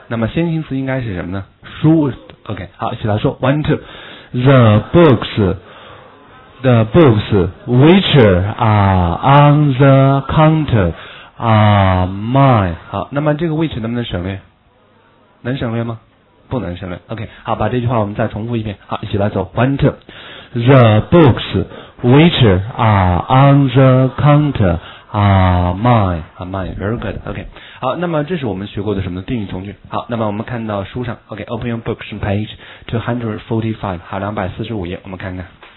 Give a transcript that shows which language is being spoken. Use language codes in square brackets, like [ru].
[zh] 那么先行词应该是什么呢？书 OK， 好，一起来说 ， [en] one two， the books which are on the counter are mine。 [zh] 好，那么这个 which 能不能省略？能省略吗？不能省略。 OK， 好，把这句话我们再重复一遍。好，一起来走 ， [en] one two， the books which are on the counter are mine。 Are mine， very good。 OK。 [zh] 好，那么这是我们学过的什么定语从句。好，那么我们看到书上 OK [en] open your books page 245， [zh] 好，245页，我们看看。